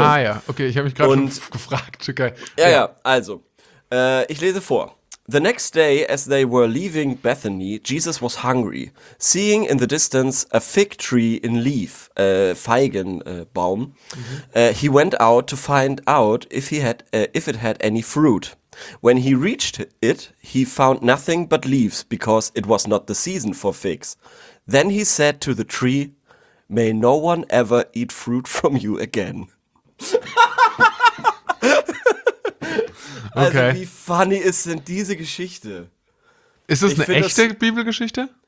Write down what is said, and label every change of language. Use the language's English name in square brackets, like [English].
[German] Ah ja, okay, ich habe mich gerade schon gefragt. Okay. Ja, also, ich lese vor. [English] The next day, as they were leaving Bethany, Jesus was hungry, seeing in the distance a fig tree in leaf, Feigenbaum, he went out to find out if it had any fruit. When he reached it, he found nothing but leaves, because it was not the season for figs. Then he said to the tree, may no one ever eat fruit from you again. [German] Also, okay. Wie funny ist denn diese Geschichte? Ist das eine echte Bibelgeschichte?